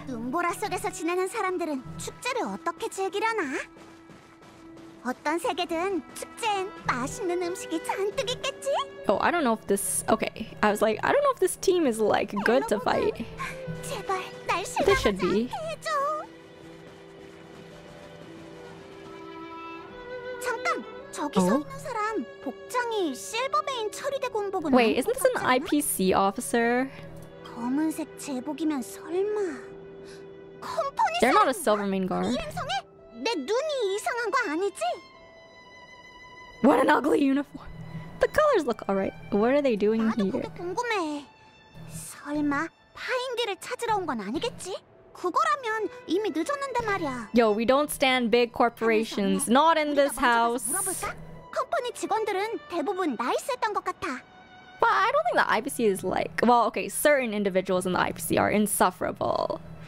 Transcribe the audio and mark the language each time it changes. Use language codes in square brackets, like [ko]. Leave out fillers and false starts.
[ko] 눈보라 속에서 지내는 사람들은 축제를 어떻게 즐기려나? 어떤 세계든 축제엔 맛있는 음식이 잔뜩 있겠지? [en] Oh, I don't know if this... Okay, I was like, I don't know if this team is, like, good to fight. [ko] 제발, 날 실감하지 않게 해줘! 잠깐! 저기 서 있는 사람 복장이 실버베인 처리대 군복은 [en] Wait, isn't this an IPC officer? [ko] 검은색 제복이면 설마... [en] They're not a Silvermane guard. [ko] 내 눈이 이상한 거 아니지? [en] What an ugly uniform. The colors look alright. What are they doing here? [ko] 나도 그게 궁금해. 설마 파인디를 찾으러 온 건 아니겠지? 그거라면 이미 늦었는데 말이야. [en] Yo, we don't stand big corporations. Not in this house. [ko] 우리가 먼저 가서 물어볼까? 컴퍼니 직원들은 대부분 나이스했던 것 같아. [en] But I don't think the IPC is like... Well, okay, certain individuals in the IPC are insufferable.